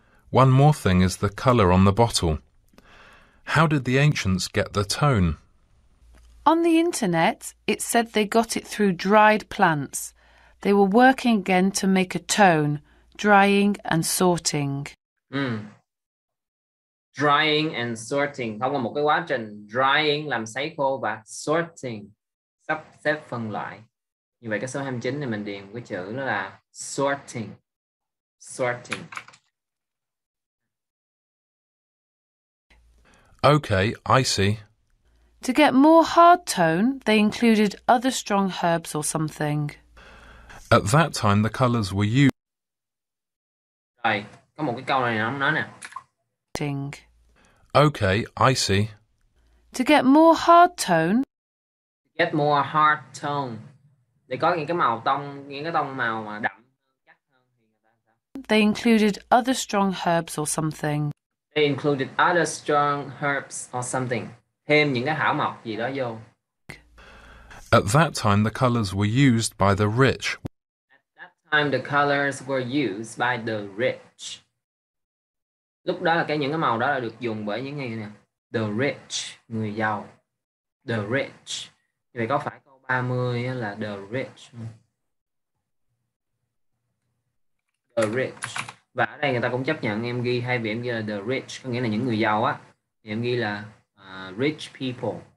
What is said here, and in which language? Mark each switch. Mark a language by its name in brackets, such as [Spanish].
[English] One more thing is the colour on the bottle. How did the ancients get the tone? On the internet, it said they got it through dried plants. They were working again to make a tone, drying and sorting. Drying and sorting. [Vietnamese] Không có một cái quá trình drying làm sấy khô và sorting sắp xếp phân loại. Như vậy cái số 29 này mình điền cái chữ đó là sorting. [English] Sorting. Okay, I see. To get more hard tone, they included other strong herbs or something. At that time, the colours were used. [Vietnamese] Hey, có một cái câu này nó nói nè. Ding. [English] Okay, I see. To get more hard tone. Get more hard tone. [Vietnamese] Để có những cái màu tông, những cái tông màu mà đậm, chắc hơn thì người ta sao? [English] They included other strong herbs or something. They included other strong herbs or something. [Vietnamese] Thêm những cái thảo mộc gì đó vô. At that time, the colors were used by the rich. At that time, the colors were used by the rich. Lúc đó là cái những cái màu đó là được dùng bởi những người nè. The rich, người giàu. The rich. Vậy có phải câu 30 là the rich không? The rich. Và ở đây người ta cũng chấp nhận em ghi, thay vì em ghi là the rich, có nghĩa là những người giàu á, thì em ghi là rich people.